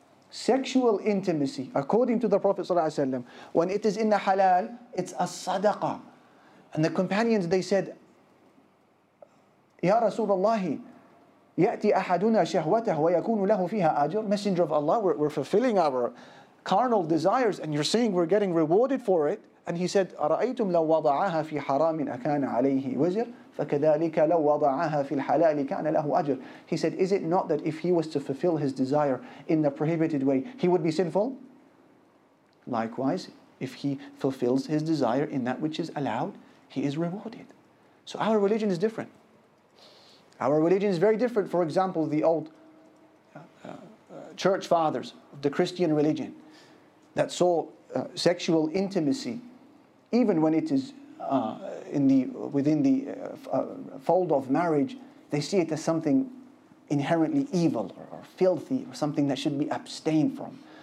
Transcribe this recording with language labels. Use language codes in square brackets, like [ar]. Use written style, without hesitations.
[en] Sexual intimacy, according to the Prophet ﷺ, when it is in the halal, it's a sadaqah. And the companions, they said, Ya Rasulullah, [ar] يَأْتِ أَحَدُنَا شَهْوَتَهُ وَيَكُونُ لَهُ فِيهَا أَجْرٌ. [en] Messenger of Allah, we're fulfilling our carnal desires, and you're saying we're getting rewarded for it. And he said, [ar] أَرَأَيْتُمْ لَوْ وَضَعَهَا فِي حَرَامٍ أَكَانَ عَلَيْهِ وَزِرٍ فَكَذَلِكَ لَوْ وَضَعَهَا فِي الْحَلَالِ كَانَ لَهُ أَجْرٍ. [en] He said, is it not that if he was to fulfill his desire in the prohibited way, he would be sinful? Likewise, if he fulfills his desire in that which is allowed, he is rewarded. So our religion is different. Our religion is very different. For example, the old church fathers of the Christian religion that saw sexual intimacy, even when it is within the fold of marriage, they see it as something inherently evil or filthy or something that should be abstained from.